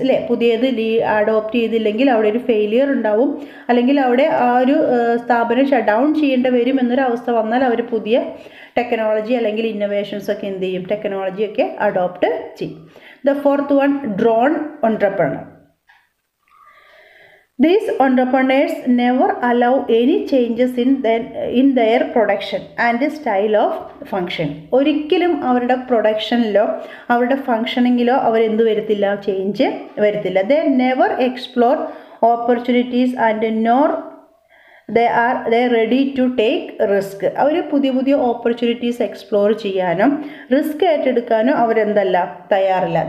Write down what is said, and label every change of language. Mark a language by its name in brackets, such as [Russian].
[Malayalam] അല്ലേ, പുതിയത് അഡോപ്റ്റ് ചെയ്തില്ലെങ്കിൽ അവിടെ ഒരു ഫെയിലിയർ ഉണ്ടാവും, അല്ലെങ്കിൽ അവിടെ ആ ഒരു സ്ഥാപനം ഷട്ട് ഡൗൺ ചെയ്യേണ്ടി വരും എന്നൊരവസ്ഥ വന്നാൽ അവർ പുതിയ ടെക്നോളജി അല്ലെങ്കിൽ ഇന്നൊവേഷൻസൊക്കെ എന്ത് ചെയ്യും, ടെക്നോളജിയൊക്കെ അഡോപ്റ്റ് ചെയ്യും. [English] The fourth one, drone entrepreneur. These entrepreneurs never allow any changes in their production and style of function. [Malayalam] ഒരിക്കലും അവരുടെ പ്രൊഡക്ഷനിലോ അവരുടെ ഫംഗ്ഷനിങ്ങിലോ അവരെന്ത് വരുത്തില്ല, ചേഞ്ച് വരുത്തില്ല. [English] They never explore opportunities and nor they ready to take risk. [Malayalam] അവർ പുതിയ പുതിയ opportunities explore ചെയ്യാനും risk ഏറ്റെടുക്കാനും അവരെന്തല്ല, തയ്യാറില്ല.